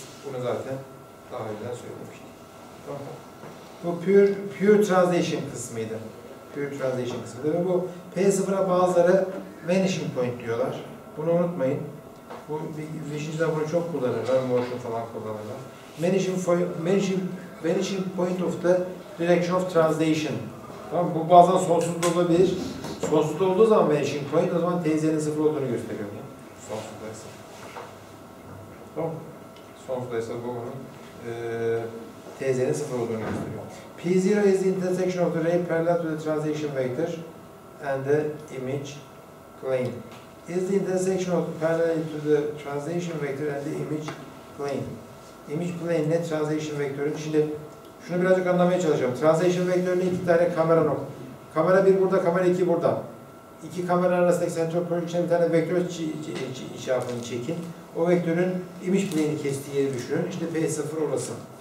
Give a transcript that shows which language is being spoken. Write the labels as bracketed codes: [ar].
[tr] Bunu zaten daha önce söylemiştik. Tamam. Bu pure translation kısmıydı. Pure translation kısmıydı. Ve bu P0'a bazıları vanishing point diyorlar. Bunu unutmayın. Bu vanishing'de bunu çok kullanırlar. Motion falan kullanırlar. [en] Vanishing point of the direction of translation. [tr] Tamam, bu bazen sonsuz olabilir. Sonsuz olduğu zaman vanishing point, o zaman tz'nin 0 olduğunu gösteriyor. Yani. Sonsuzdaysa. Tamam. Sonsuzdaysa bu onun tz'nin 0 olduğunu gösteriyor. [en] P0 is the intersection of the ray parallel to the translation vector and the image plane. Is the intersection of the parallel to the translation vector and the image plane. Image plane ne? Translation vector. [tr] Şimdi şunu birazcık anlamaya çalışacağım. Translation vektörünü iki tane kamera noktası. Kamera 1 burada, kamera 2 burada. İki kamera arasındaki center projection'a bir tane vektör çarpımı çekin. O vektörün image plane'i kestiği yeri düşünün. İşte P0 orası.